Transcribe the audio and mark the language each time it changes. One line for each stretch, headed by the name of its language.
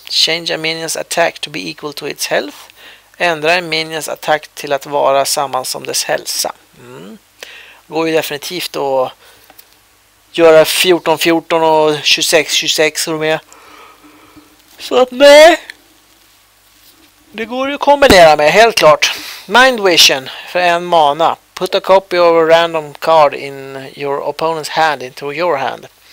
English: Change a minions attack to be equal to its health.
Swedish: Ändra en minions attack till att vara samma som dess hälsa. Går ju definitivt att göra 14-14 och 26-26 och mer. Så att nej. Det går ju att kombinera med, helt klart. Mind Vision för en mana.
English: Put a copy of a random card in your opponent's hand into your hand.